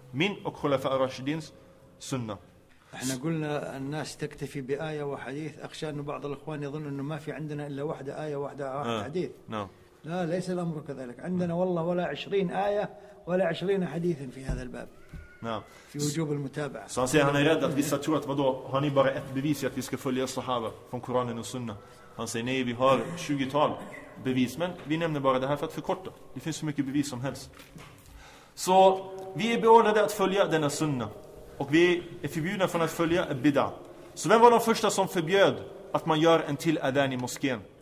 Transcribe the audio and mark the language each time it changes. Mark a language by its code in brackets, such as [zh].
[sv] Min och khulafas rashidins sunna. [ar] احنا قلنا الناس تكتفي بآية وحديث اخشى ان بعض الاخوان يظن انه ما في عندنا الا واحدة آية واحدة حديث لا ليس الامر كذلك عندنا والله ولا 20 آية ولا 20 حديث في هذا الباب في وجوب المتابعة صار سي انا رد [sv] att vissa tror att vadå har ni bara ett bevis att vi ska följa sahaba från Koranen och Sunna. Han säger nej, vi har 20-tal bevis, men vi nämner bara det här för att förkorta. Det finns så mycket bevis som helst. Så vi är beordrade att följa denna sunna. Och vi är förbjudna från att följa bid'a. Så vem var de första som förbjöd att man gör en till adhan i moskén?